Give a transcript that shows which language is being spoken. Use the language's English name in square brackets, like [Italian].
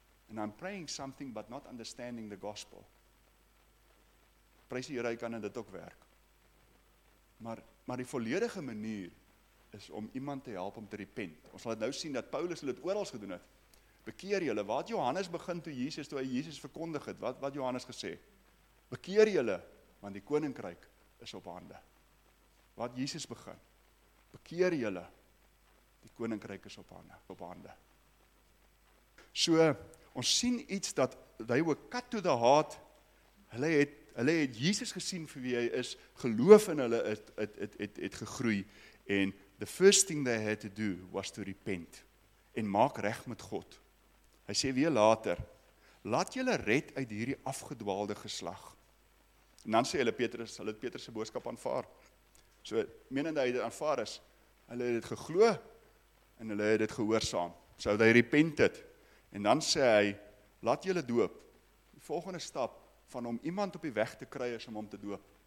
[English] And I'm praying something but not understanding the gospel. [Afrikaans] Prys die Here, hy kan in dit ook werk. Maar die volledige manier is om iemand te help om te repent. Ons sal nou sien dat Paulus dit oral gedoen het. Bekeer julle, wat Johannes begin toe hy Jesus verkondig het, wat Johannes gesê? Bekeer julle, want die koninkryk is op hande. Wat Jesus begin, bekeer julle, die koninkryk is op hande. So, ons sien iets dat [English] they were cut to the heart, [Afrikaans] hulle het Jesus gesien vir wie hy is, geloof in hulle het gegroei, en [English] the first thing they had to do was to repent, [Afrikaans] en maak reg met God. Hy sê weer later, laat julle red uit hierdie afgedwaalde geslag. En dan sê hulle Petrus, hulle het Petrus se boodskap aanvaar. So, menende hy dit aanvaar is, hulle het dit geglo, en hulle het dit gehoorsaam. So, hy repent het, en dan sê hy, laat julle doop. Die volgende stap, van om iemand op die weg te kry is om hom te doop.